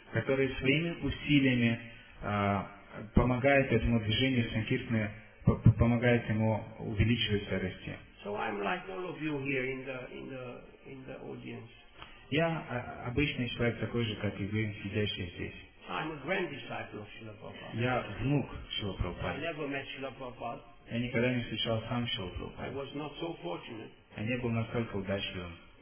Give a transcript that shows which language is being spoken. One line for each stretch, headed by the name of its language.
Russian: которые своими усилиями помогают этому движению санкиртны, помогают ему увеличиваться и расти.
English: So I'm like all of you here in the audience.
Russian: Я обычный человек, такой же, как и вы, сидящий здесь.
English: I'm a grand disciple of Srila Prabhupada.
Russian: Я внук Шрилы Прабхупады.
English: I never met Srila Prabhupada.
Russian: Я никогда не встречал сам Шрилу Прабхупаду.
English: I was not so fortunate.
Russian: Я не был настолько удачливым.